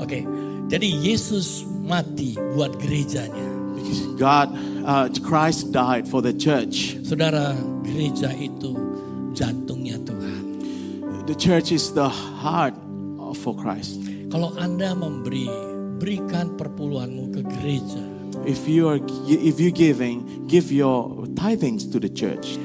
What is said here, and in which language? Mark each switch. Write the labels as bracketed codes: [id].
[id] Okay, jadi Yesus mati buat gerejanya. [en] Because God, Christ died for the church. [id] Saudara, gereja itu jantungnya Tuhan. [en] The church is the heart for Christ. [id] Kalau Anda memberi, berikan perpuluhanmu ke gereja. [en] If you giving, give your tithings to the church.